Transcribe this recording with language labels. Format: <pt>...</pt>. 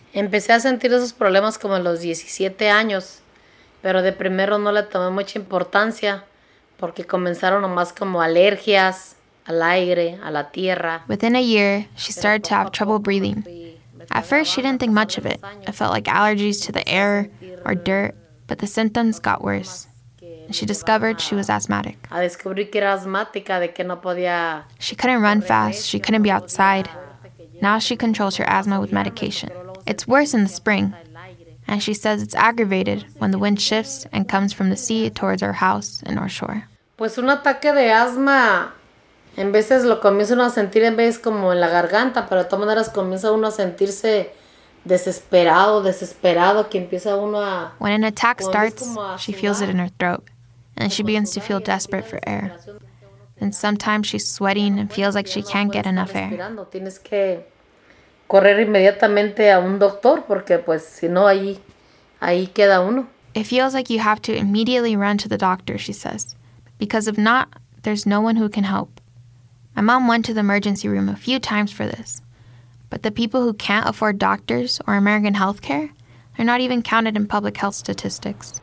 <es>Empecé a sentir esos problemas como a los 17 años, pero de primero no le tomé mucha importancia porque comenzaron nomás como alergias al aire, a la tierra.</es> <en>Within a year, she started to have trouble breathing. At first, she didn't think much of it. It felt like allergies to the air or dirt, but the symptoms got worse. She discovered she was asthmatic. She couldn't run fast. She couldn't be outside. Now she controls her asthma with medication. It's worse in the spring, and she says it's aggravated when the wind shifts and comes from the sea towards our house and North Shore.</en> <es>Pues un ataque de asma. En veces lo comienza uno a sentir en vez como en la garganta, pero de todas maneras comienza uno a sentirse desesperado, desesperado, que empieza uno a...</es> <en>When an attack starts, she feels it in her throat, and she begins to feel desperate for air. And sometimes she's sweating and feels like she can't get enough air.</en> <es>Tienes que correr inmediatamente a un doctor, porque pues si no, ahí queda uno.</es> <en>It feels like you have to immediately run to the doctor, she says. Because if not, there's no one who can help. My mom went to the emergency room a few times for this. But the people who can't afford doctors or American healthcare, they're not even counted in public health statistics.</en>